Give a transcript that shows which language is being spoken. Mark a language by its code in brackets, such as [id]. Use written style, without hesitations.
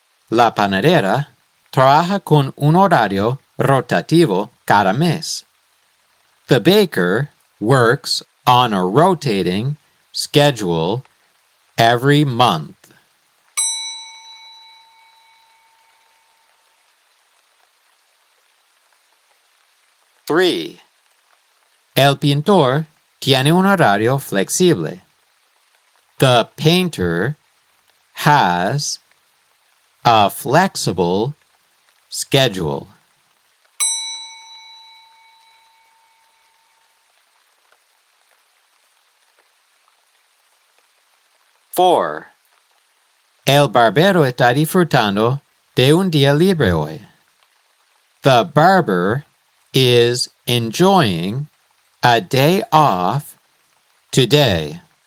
[es] La panadera trabaja con un horario rotativo cada mes. [en] The baker works on a rotating schedule every month. Three. [es] El pintor tiene un horario flexible. [en] The painter has a flexible schedule. Four. [es] El barbero está disfrutando de un día libre hoy. [en] The barber is enjoying a day off today.